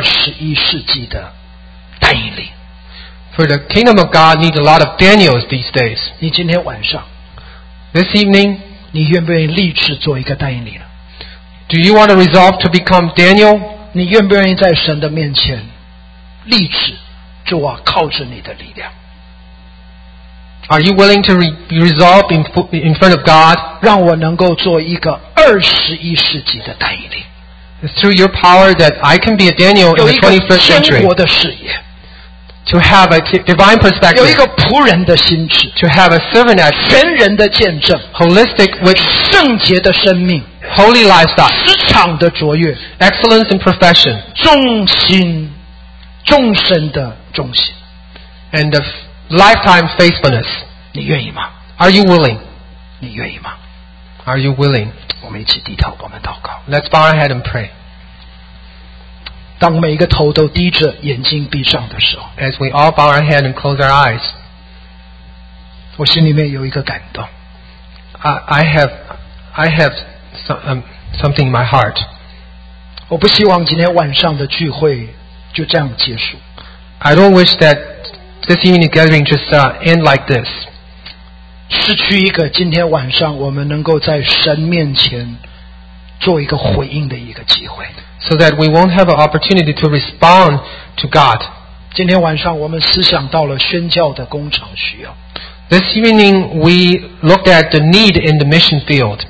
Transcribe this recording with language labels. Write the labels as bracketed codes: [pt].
[zh] 神的国迫切所需要的就是21世纪的丹以利。 [en] For the kingdom of God needs a lot of Daniels these days. [zh] 你今天晚上, [en] this evening, [zh] 你愿不愿意立志做一个丹以利呢? [en] Do you want to resolve to become Daniel? [zh] 你愿不愿意在神的面前立志，主啊，靠着你的力量。 [en] Are you willing to resolve in front of God? [zh] 让我能够做一个21世纪的丹以利。 [en] It's through your power that I can be a Daniel in the 21st century. [zh] 有一个天国的视野。 [en] To have a divine perspective. [zh] 有一个仆人的心智, [en] to have a servant attitude. [zh] 全人的见证, [en] holistic with [zh] 圣洁的生命, [en] holy lifestyle. [zh] 职场的卓越, [en] excellence in profession. [zh] 忠心, 终身的忠心, [en] and a lifetime faithfulness. [zh] 你愿意吗? [en] Are you willing? [zh] 你愿意吗? [en] Are you willing? [zh] 我们一起低头, 我们祷告。 [en] Let's bow our head and pray. [zh] 当每一个头都低着眼睛闭上的时候, [en] as we all bow our head and close our eyes, [zh] 我心里面有一个感动。 [en] I have something in my heart. [zh] 我不希望今天晚上的聚会就这样结束。 [en] I don't wish that this evening gathering just end like this. [zh] 失去一个今天晚上我们能够在神面前做一个回应的一个机会。 [en] So that we won't have an opportunity to respond to God. [zh] 今天晚上我们思想到了宣教的工厂需要。 [en] This evening we looked at the need in the mission field.